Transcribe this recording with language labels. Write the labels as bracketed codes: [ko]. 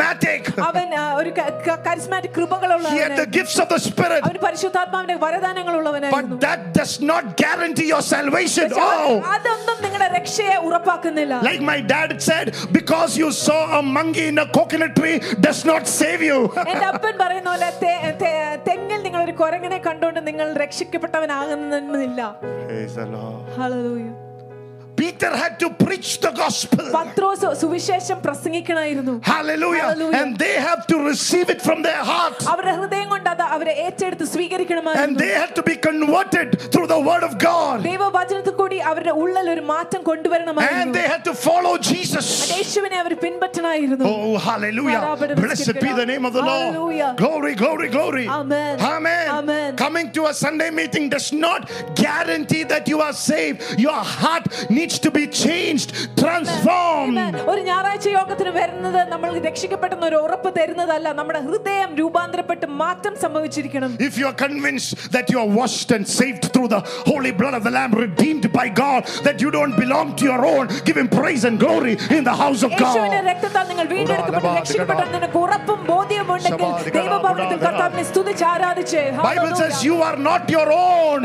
[ml] അവന് ഒരു charismatic കൃപകളുള്ളവനാണ്. [en] He had the gifts of the spirit. [ml] അവന് പരിശുദ്ധാത്മാവിന്റെ വരദാനങ്ങൾ ഉള്ളവനായിരുന്നു. [en] But that does not guarantee your salvation. Oh. [ml] അതൊന്നും നിങ്ങളുടെ രക്ഷയെ ഉറപ്പാക്കുന്നില്ല. [en] Like my dad said, because you saw a monkey in a coconut tree does not save you. [ml] എന്റെ അപ്പൻ പറയുന്ന പോലെ തെങ്ങിൽ നിങ്ങൾ ഒരു കുരങ്ങനെ കണ്ടുകൊണ്ട് നിങ്ങൾ രക്ഷിക്കപ്പെട്ടവനാകുന്നില്ല. [en] Praise the Lord. Hallelujah. Peter had to preach the gospel. [ml] പത്രോസ് സുവിശേഷം പ്രസംഗിക്കണമായിരുന്നു. [en] Hallelujah. And they have to receive it from their heart. [ml] അവരുടെ ഹൃദയം കൊണ്ട് അത് അവരെ ഏറ്റെടുത്ത് സ്വീകരിക്കണമായിരുന്നു. [en] And they had to be converted through the word of God. [ml] ദൈവവചനത്തിൽ കൂടി അവരുടെ ഉള്ളിൽ ഒരു മാറ്റം കൊണ്ടുവരണമായിരുന്നു. [en] And they had to follow Jesus. [ml] യേശുവിനെ അവർ പിൻപറ്റണമായിരുന്നു. [en] Oh hallelujah. Blessed be the name of the hallelujah. Lord. Glory glory glory. Amen. Amen. Amen. Coming to a Sunday meeting does not guarantee that you are saved. Your heart needs to be changed transformed [ml] ഒരു ഞായറാഴ്ച യോഗത്തിന് വരുന്നത് നമ്മൾ രക്ഷിക്കപ്പെട്ടെന്ന് ഒരു ഉറപ്പ് തരുന്നതല്ല നമ്മുടെ ഹൃദയം രൂപാന്തരപ്പെട്ട് മാറ്റം സംഭവിച്ചിരിക്കണം [en] if you are convinced that you are washed and saved through the holy blood of the lamb redeemed by god that you don't belong to your own give him praise and glory in the house of god [ml] യേശുവിന്റെ രക്തത്താൽ നിങ്ങൾ വീണ്ടെടുക്കപ്പെട്ട് രക്ഷിക്കപ്പെട്ടെന്ന് ഉറപ്പും ബോധ്യമുണ്ടെങ്കിൽ ദൈവഭവനത്തിൽ കർത്താവിനെ സ്തുതിച്ച് ആരാധിച്ച് [en] ഹല്ലേലൂയ bible says you are not your own